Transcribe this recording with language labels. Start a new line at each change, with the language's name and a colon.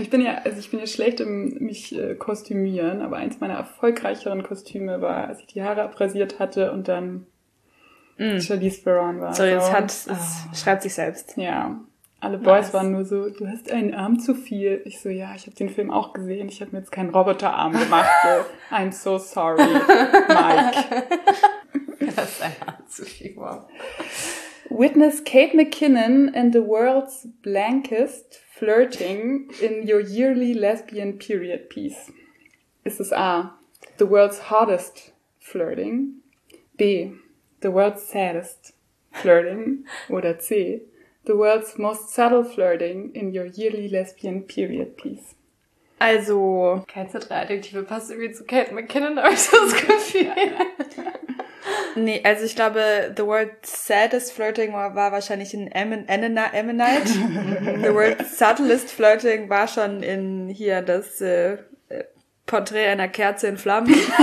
German: Ich bin ja schlecht im mich kostümieren, aber eins meiner erfolgreicheren Kostüme war, als ich die Haare abrasiert hatte und dann Charlize Theron war. So, jetzt hat es, schreibt sich selbst. Ja. Alle Boys waren nur so, du hast einen Arm zu viel. Ich so, ja, ich habe den Film auch gesehen. Ich habe mir jetzt keinen Roboterarm gemacht.
English: So, I'm so sorry, Mike.
German: Du hast einen Arm zu viel. Wow.
English: Witness Kate McKinnon and the world's blankest flirting in your yearly lesbian period piece.
German: Ist es A,
English: the world's hottest flirting? B, the world's saddest flirting?
German: Oder C,
English: the world's most subtle flirting in your yearly lesbian period piece.
German: Also, keine zentrale Adjektive passt irgendwie zu Kate McKinnon, habe ich so das Gefühl. Nee, also ich glaube,
English: the world's saddest flirting
German: war wahrscheinlich in Ammonite.
English: The world's subtlest flirting
German: war schon in hier das Porträt einer Kerze in Flammen.